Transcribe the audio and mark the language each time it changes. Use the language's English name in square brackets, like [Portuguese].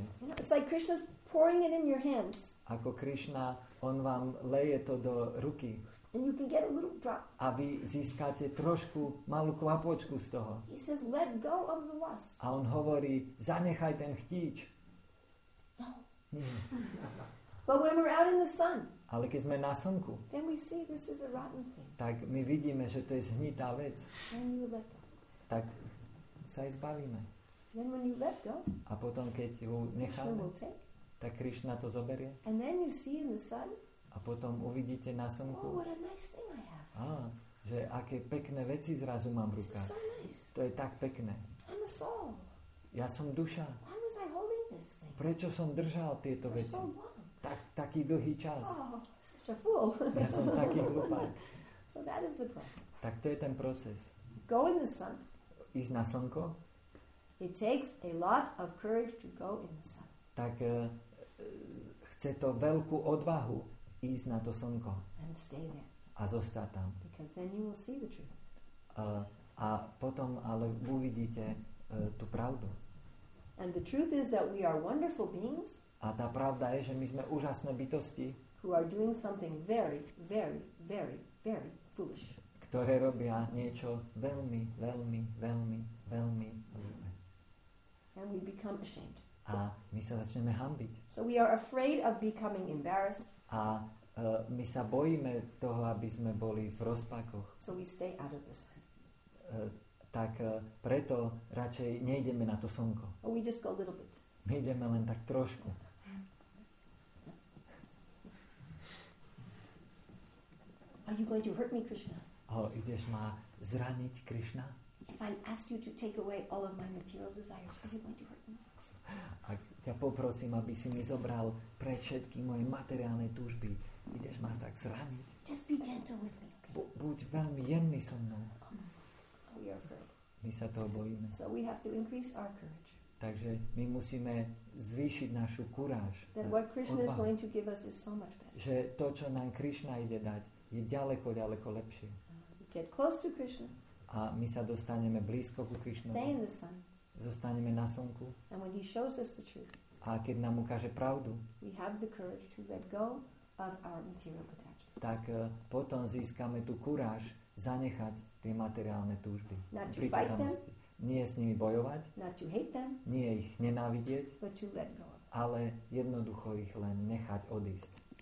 [English] You know, it's like Krishna's pouring it in your hands. [Slovak] Ako Krishna, on vám leje to do ruky. [English] And you can get a little drop. [Slovak] A vy získate trošku malú kvapočku z toho. [English] He says, let go of the lust. [Slovak] A on hovorí, zanechaj ten chtíč. [English] No. But when we're out in the sun, [Slovak] ale keď sme na slnku, [English] then we see this is a rotten thing. [Slovak] Tak my vidíme, že to je zhnitá vec. [English] Then you let go. [Slovak] Tak sa jej zbavíme. [English] Then when you let go, [Slovak] a potom keď ju necháme, [English] Krishna will take. [Slovak] Tak Krishna to zoberie. [English] And then you see in the sun, [Slovak] a potom uvidíte na slnku, [English] oh, what a nice thing I have. [Slovak] Že aké pekné veci zrazu mám v rukách. [English] This is so nice. [Slovak] To je tak pekné. [English] I'm a soul. [Slovak] Ja som duša. [English] Why was I holding this thing? [Slovak] Prečo som držal tieto veci? Taký dlhý čas. [English] Oh, such a fool. [Slovak] Ja som taký hlupák. [English] So that is the process. [Slovak] Tak to je ten proces. [English] Go in the sun. [Slovak] Ísť na slnko. [English] It takes a lot of courage to go in the sun. [Slovak] Tak chce to veľkú odvahu ísť na to slnko. [English] And stay there. [Slovak] A zostať tam. [English] Because then you will see the truth. [Slovak] A potom ale uvidíte tú pravdu. [English] And the truth is that we are wonderful beings. [Slovak] A tá pravda je, že my sme úžasné bytosti, [English] who are doing something very, very, very, very foolish. [Slovak] Ktoré robia niečo veľmi, veľmi, veľmi, veľmi hlúpe. [English] And we become ashamed. [Slovak] A my sa začneme hanbiť. [English] So we are afraid of becoming embarrassed. [Slovak] A my sa bojíme toho, aby sme boli v rozpakoch. [English] So we stay out of the sun. [Slovak] Tak preto radšej nejdeme na to slnko. [English] Or we just go a little bit. [Slovak] My ideme len tak trošku. [English] Are you going to hurt me, Krishna? [Slovak] Oh, ideš ma zraniť, Krishna? [English] If I ask you to take away all of my material desires, are you going to hurt me? [Slovak] Ak ťa poprosím, aby si mi zobral pre všetky moje materiálne túžby, ideš ma tak zraniť? [English] Just be gentle with me, okay? [Slovak] Buď veľmi jemný so mnou. [English] We are afraid. [Slovak] My sa toho bojíme. [English] So we have to increase our courage. [Slovak] Takže my musíme zvýšiť našu kuráž. Že to, čo nám Krishna ide dať, je ďaleko, ďaleko lepšie. [English] Get close to Krishna. [Slovak] A my sa dostaneme blízko ku Krishnovi. [English] Stay in the sun. [Slovak] Zostaneme na slnku. [English] And when he shows us the truth, [Slovak] a keď nám ukáže pravdu, [English] we have the courage to let go of our material attachments. [Slovak] Tak potom získame tú kuráž zanechať tie materiálne túžby. [English] Not to fight them. [Slovak] Nie s nimi bojovať, [English] not to hate them, [Slovak] nie ich nenávidieť, [English] but to let go. [Slovak] Ale jednoducho ich len nechať odísť.